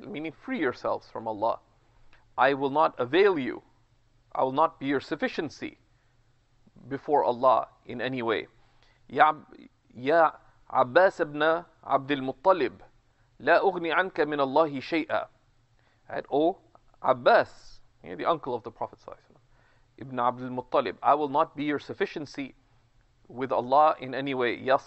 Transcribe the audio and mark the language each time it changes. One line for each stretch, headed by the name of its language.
English: Meaning free yourselves from Allah. I will not avail you. I will not be your sufficiency before Allah in any way.
Arabic: يا عباس ابن عبد المطلب لا أغني عنك من الله شيئا.
English: Right? Oh, Abbas, the uncle of the Prophet ibn Abdul Muttalib, I will not be your sufficiency with Allah in any way.